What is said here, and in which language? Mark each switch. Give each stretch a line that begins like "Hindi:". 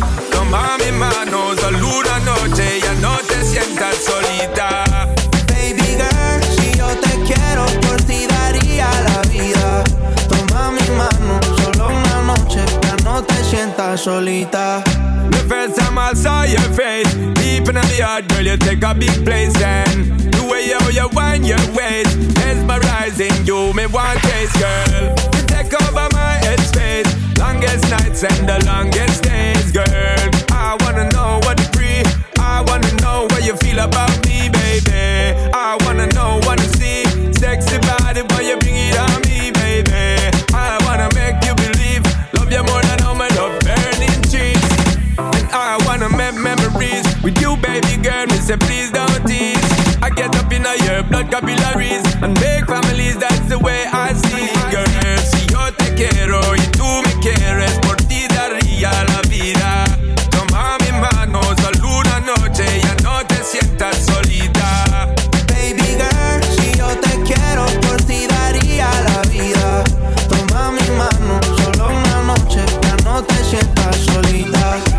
Spanish: Toma mis manos, solo una noche, ya no te sientas solita.
English: Baby girl,
Spanish: si yo te quiero, por ti daría la vida. Toma mis manos, solo una noche, ya no te sientas solita.
English: The first time I saw your face, deep in the heart, girl, you take a big place. And the way you wind your waist, mesmerizing, you me want taste, girl. Cover my headspace. Longest nights and the longest days, girl. I wanna know what you breathe. I wanna know what you feel about me, baby. I wanna know, wanna see. Sexy body, boy, you bring it on me, baby. I wanna make you believe. Love you more than all my love burning trees. And I wanna make memories with you, baby girl. Me say please don't tease. I get up in your blood capillaries and make families, that's the way I see, girl.
Spanish: Quiero y tú me quieres, por ti daría la vida. Toma mis manos, solo una noche, ya no te sientas solita.
English: Baby girl,
Spanish: si yo te quiero, por ti daría la vida. Toma mis manos, solo una noche, ya no te sientas solita.